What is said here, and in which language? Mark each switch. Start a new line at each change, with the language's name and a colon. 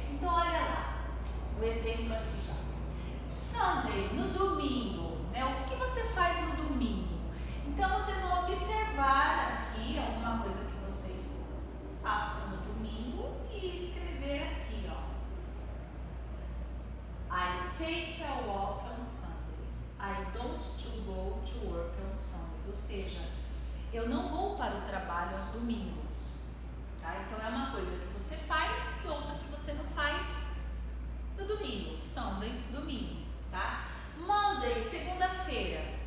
Portuguese: Então, olha lá o exemplo aqui já. Sunday, no domingo, né? O que você faz no domingo? Então, vocês vão observar aqui alguma coisa que vocês façam no domingo e escrever aqui.
English: I take a walk on Sundays. I don't to go to work on Sundays.
Portuguese: Ou seja, eu não vou para o trabalho aos domingos. Tá? Então, é uma coisa que você faz e outra que você não faz no domingo. Sunday, domingo. Tá? Monday, segunda-feira.